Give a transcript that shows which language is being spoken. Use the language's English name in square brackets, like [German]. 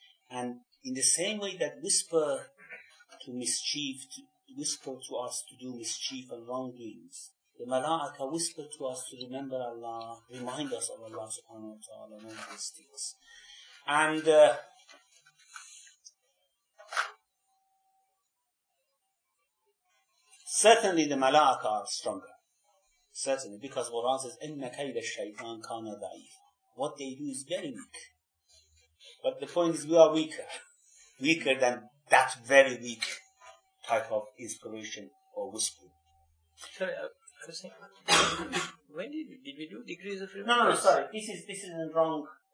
[English] And in the same way that whisper to mischief, to whisper to us to do mischief and wrongdoings, the malaika whisper to us to remember Allah, remind us of Allah subhanahu wa ta'ala and all these things. And certainly the malaika are stronger. Certainly, because Quran says, [Arabic] إِنَّ كَيْدَ الشَّيْطَانِ كَانَ ضَعِيفًا. [English] What they do is very weak. But the point is, we are weaker. Weaker than that very weak type of inspiration or whisper. Sorry, I was saying, when did we do degrees of remembrance? No, sorry, this is a wrong...